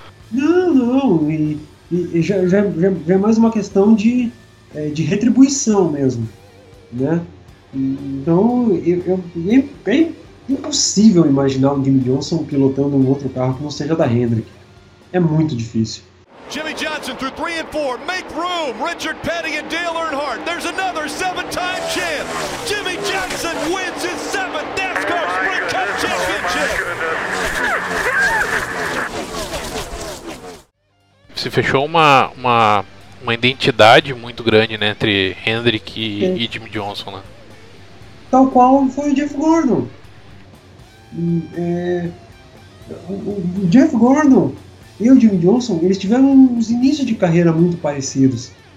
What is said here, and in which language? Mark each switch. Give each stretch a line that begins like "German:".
Portuguese: Não. E já é mais uma questão de retribuição mesmo, né? Então, é impossível imaginar o Jimmy Johnson pilotando um outro carro que não seja da Hendrick. É muito difícil.
English: Jimmy Johnson through 3 and 4, make room, Richard Petty and Dale Earnhardt, there's another 7-time champ, Jimmy Johnson wins his 7th NASCAR Sprint Cup Championship.
Portuguese: Se fechou uma identidade muito grande, né, entre Hendrick e Jimmy Johnson, né? Tal qual foi o Jeff Gordon. O Jeff Gordon e o Jimmy Johnson, eles tiveram uns inícios de carreira muito parecidos.